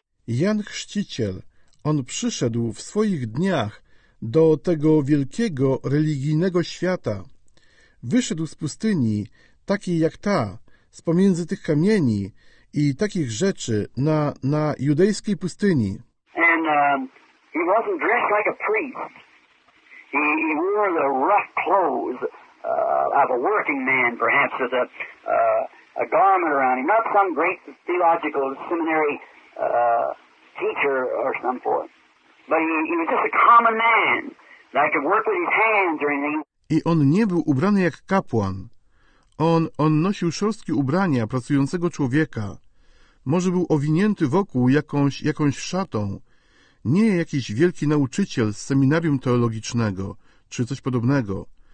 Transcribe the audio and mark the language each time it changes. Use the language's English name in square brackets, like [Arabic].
[Polish] Jan Chrzciciel, on przyszedł w swoich dniach do tego wielkiego religijnego świata. Wyszedł z pustyni, takiej jak ta, z pomiędzy tych kamieni i takich rzeczy na judejskiej pustyni. [English] And he wasn't dressed like a priest. He wore the rough clothes of a working man, perhaps, with a garment around him. Not some great theological seminary teacher or some sort. But he was just a common man that could work with his hands or anything. [Polish] I on nie był ubrany jak kapłan. On nosił szorstkie ubrania pracującego człowieka. Może był owinięty wokół jakąś szatą. Nie jakiś wielki nauczyciel z seminarium teologicznego, czy coś podobnego.